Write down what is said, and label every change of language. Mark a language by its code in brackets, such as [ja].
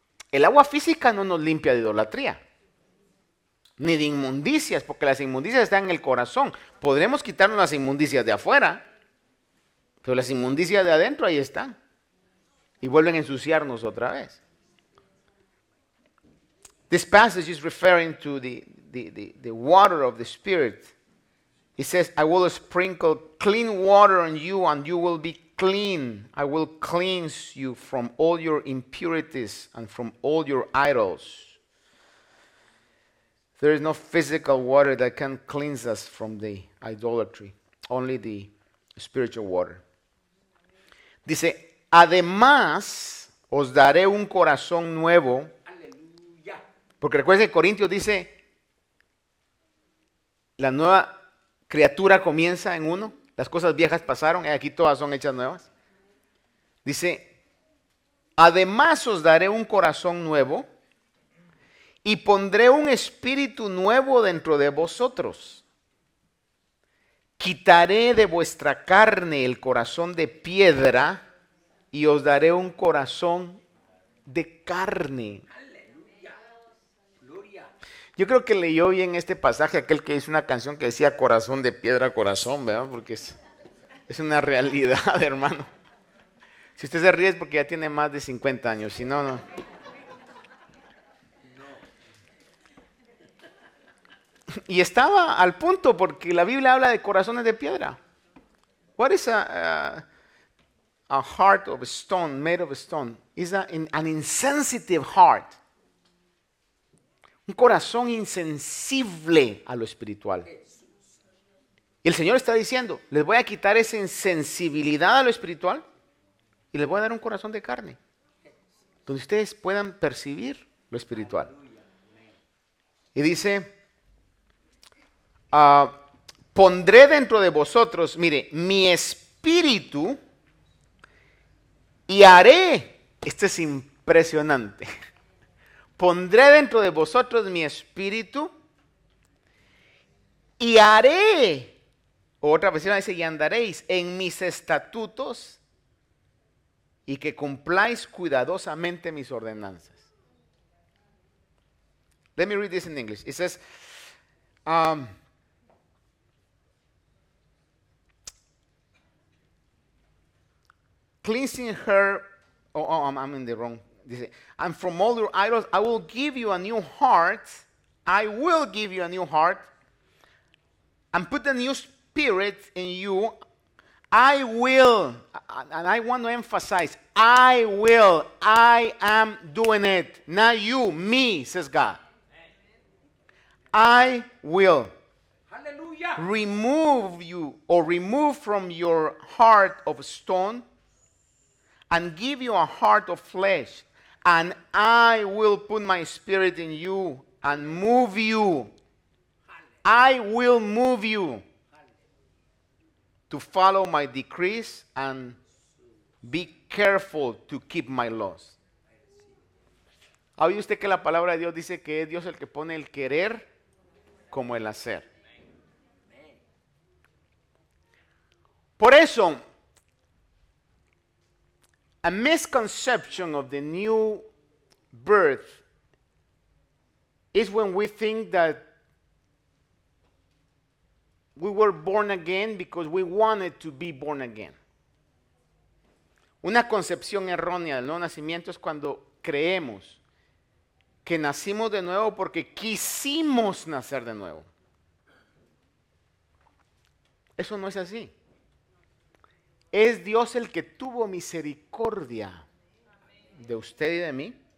[es] El agua física no nos limpia de idolatría, ni de inmundicias, porque las inmundicias están en el corazón. Podremos quitarnos las inmundicias de afuera, pero las inmundicias de adentro ahí están y vuelven a ensuciarnos otra vez. [en] This passage is referring to the water of the Spirit. It says, I will sprinkle clean water on you and you will be clean. I will cleanse you from all your impurities and from all your idols. There is no physical water that can cleanse us from the idolatry, only the spiritual water. [es] Dice, además os daré un corazón nuevo. Aleluya. Porque recuerden que Corintios dice, La nueva criatura comienza en uno. Las cosas viejas pasaron y aquí todas son hechas nuevas. Dice, además os daré un corazón nuevo y pondré un espíritu nuevo dentro de vosotros. Quitaré de vuestra carne el corazón de piedra y os daré un corazón de carne. Yo creo que leyó bien este pasaje aquel que hizo una canción que decía corazón de piedra, corazón, ¿verdad? Porque es una realidad, hermano. Si usted se ríe es porque ya tiene más de 50 años, si no, no. Y estaba al punto porque la Biblia habla de corazones de piedra. [en] What is a heart of stone, made of stone? Is an insensitive heart. [es] Un corazón insensible a lo espiritual. Y el Señor está diciendo, les voy a quitar esa insensibilidad a lo espiritual y les voy a dar un corazón de carne, donde ustedes puedan percibir lo espiritual. Y dice, pondré dentro de vosotros, mire, mi espíritu y haré, esto es impresionante, pondré dentro de vosotros mi espíritu y haré, otra versión dice, y andaréis en mis estatutos y que cumpláis cuidadosamente mis ordenanzas. [en] Let me read this in English. It says, cleansing her, I'm in the wrong. And from all your idols, I will give you a new heart. I will give you a new heart and put a new spirit in you. I will, and I want to emphasize, I will, I am doing it. Not you, me, says God. I will. Hallelujah. Remove from your heart of stone and give you a heart of flesh. And I will put my spirit in you and move you. I will move you to follow my decrees and be careful to keep my laws. [es] ¿Ha oído usted que la palabra de Dios dice que es Dios el que pone el querer como el hacer? Por eso, [en] a misconception of the new birth is when we think that we were born again because we wanted to be born again. [es] Una concepción errónea del nuevo nacimiento es cuando creemos que nacimos de nuevo porque quisimos nacer de nuevo. Eso no es así. Es Dios el que tuvo misericordia de usted y de mí.